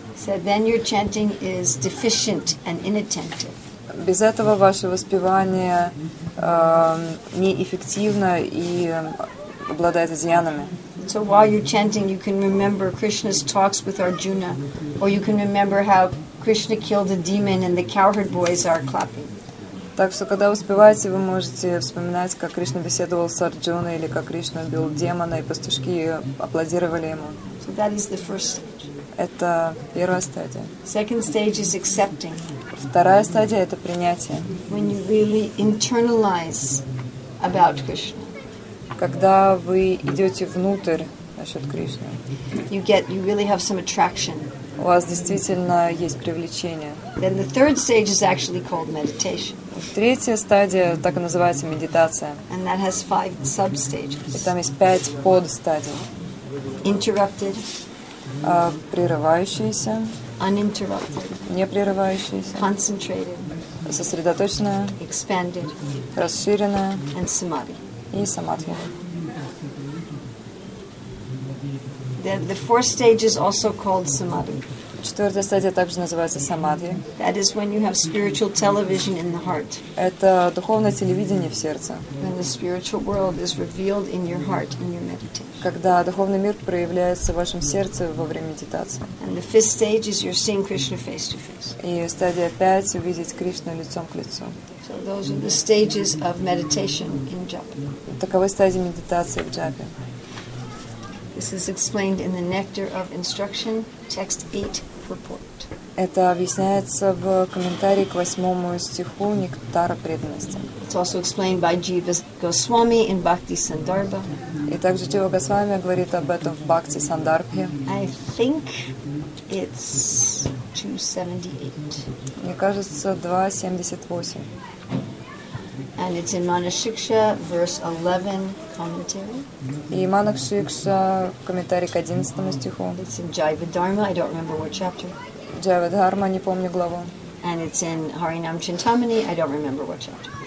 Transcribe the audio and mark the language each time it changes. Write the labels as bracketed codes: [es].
[en] Said, then your chanting is deficient and inattentive. [ru] Без этого ваше воспевание неэффективно и обладает изъянами. [en] So while you're chanting, you can remember Krishna's talks with Arjuna, or you can remember how Krishna killed a demon and the cowherd boys are clapping. [ru] Так что, когда вы успеваете, вы можете вспоминать, как Кришна беседовал с Арджуной, или как Кришна убил демона, и пастушки аплодировали ему. [en] So that is the first stage. [ru] Это первая стадия. [en] Second stage is accepting. [ru] Вторая стадия — это принятие. [en] When you really internalize about Krishna. [ru] Когда вы идете внутрь насчет Кришны. [en] You really have some attraction. [ru] У вас действительно есть привлечение. [en] Then the third stage is actually called meditation. [ru] Третья стадия так и называется медитация. [en] And that has five sub-stages. [ru] И там есть пять подстадий. [en] Interrupted. [ru] Прерывающиеся. [en] Uninterrupted. [ru] Непрерывающиеся. [en] Concentrated. [ru] Сосредоточенная. [en] Expanded. [ru] Расширенная. [en] And samadhi. [ru] И самадхи. [en] The fourth stage is also called samadhi. [ru] Четвертая стадия также называется самадхи. [en] That is when you have spiritual television in the heart. [ru] Это духовное телевидение в сердце. [en] When the spiritual world is revealed in your heart in your meditation. [ru] Когда духовный мир проявляется в вашем сердце во время медитации. [en] And the fifth stage is you're seeing Krishna face to face. [ru] И стадия пять — увидеть Кришну лицом к лицу. [en] So those are the stages of meditation in japa. [ru] Таковы стадии медитации в джапе. [en] This is explained in the Nectar of Instruction, text 8, purport. [ru] Это объясняется в комментарии к восьмому стиху Нектара преданности. [en] It's also explained by Jiva Goswami in Bhakti Sandarbha. [ru] И также Jiva Goswami говорит об этом в Бхакти Сандарбхе. [en] I think it's 278. [ru] Мне кажется, 278. [en] And it's in Manashiksha, verse 11, commentary. [ru] И Манашикша, комментарий к 11 стиху. [en] It's in Jiva Dharma, I don't remember what chapter. [ru] Jiva Dharma, не помню главу. [en] And it's in Harinam Chintamani, I don't remember what chapter.